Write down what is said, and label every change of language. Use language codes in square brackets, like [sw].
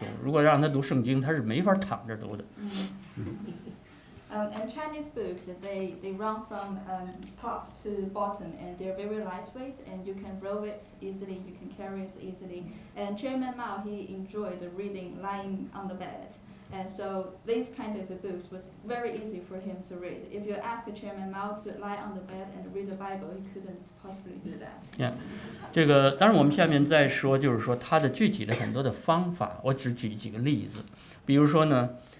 [zh] 这个中文的书它竖排呢，而且它是软的，它是可以卷起来的，所以呢，这个文人哈，毛主席呢，就是躺着那看书的，你知道吧？所以他呢，他可以卷着那书又很轻，他可以读。如果让他读圣经，他是没法躺着读的。 [en] And Chinese books, they run from top to bottom, and they're very lightweight, and you can roll it easily, you can carry it easily. And Chairman Mao, he enjoyed the reading lying on the bed. And so these kind of books was very easy for him to read. If you ask Chairman Mao to lie on the bed and read the Bible, he couldn't possibly do that. [zh] Yeah, 这个当然我们下面再说，就是说他的具体的很多的方法，我只举几个例子，比如说呢。